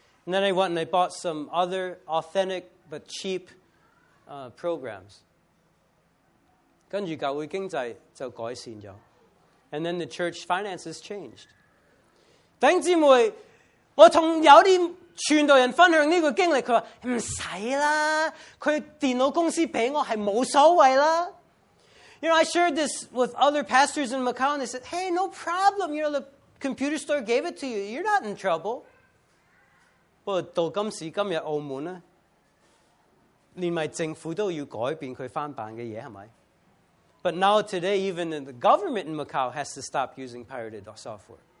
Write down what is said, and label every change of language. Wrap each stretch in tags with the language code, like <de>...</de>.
<en>And then I went and I bought some other authentic but cheap programs.</en> <zh>跟住教會經濟就改善了.</zh> <en>And then the church finances changed.</en> <zh>弟兄姊妹,我跟有些傳道人分享這個經歷, 他說,不用啦,他電腦公司給我是無所謂啦.</zh> <en>You know, I shared this with other pastors in Macau, and they said, hey, no problem, you know, the computer store gave it to you, you're not in trouble.</en> <zh>不過到今時今日澳門呢, 連政府都要改變他翻版的東西,是不是?</zh> <en>But now today, even the government in Macau has to stop using pirated software.</en>